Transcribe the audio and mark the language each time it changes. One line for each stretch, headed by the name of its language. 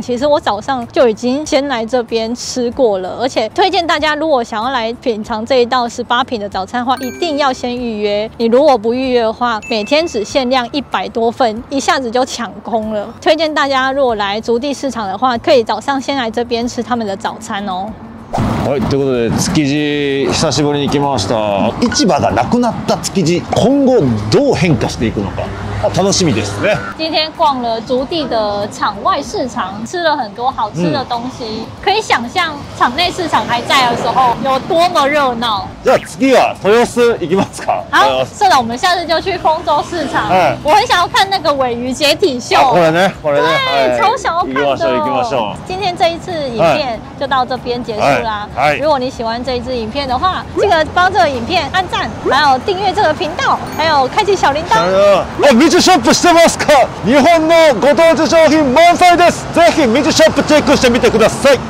Chinese: 其实我早上就已经先来这边吃过了，而且推荐大家如果想要来品尝这一道18品的早餐的话，一定要先预约。你如果不预约的话，每天只限量100多份，一下子就抢空了。推荐大家如果来竹地市场的话，可以早上先来这边吃他们的早餐哦。
Japanese: はい、ということで築地久しぶりに来ました。市場がなくなった築地、今後どう変化していくのか楽しみですね。
Chinese: 今天逛了竹地的场外市场，吃了很多好吃的东西，可以想象场内市场还在的时候有多么热闹。
Japanese: じゃあ次は豊洲行きますか。
Chinese: 好，社长，我们下次就去丰洲市场。我很想要看那个尾鱼解体秀。
Japanese: これね、これね。
Chinese: 对，超想要看的。
Japanese: 行きましょう、行きましょう。
Chinese: 今天这一次影片就到这边结束啦。如果你喜欢这一支影片的话，记得帮这个影片按赞，还有订阅这个频道，还有开启小铃铛。
Japanese: MiCHi SHOP してますか？日本のご当地商品満載です。ぜひ MiCHi SHOP チェックしてみてください。